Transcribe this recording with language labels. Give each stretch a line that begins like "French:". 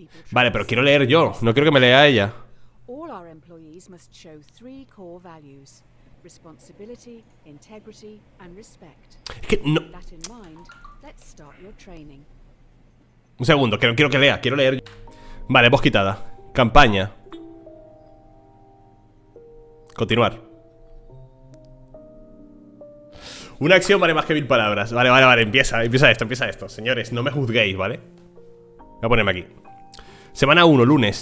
Spanish: Vale, pero quiero leer yo. No quiero que me lea ella.
English: All our employees must show three core values: responsibility, integrity, and respect. That in mind, let's start your training.
Spanish: Un segundo, que no quiero que lea, quiero leer. Vale, voz quitada. Campaña. Continuar. Una acción vale más que mil palabras. Vale, vale, vale, empieza esto. Señores, no me juzguéis, ¿vale? Voy a ponerme aquí. Semana 1, lunes.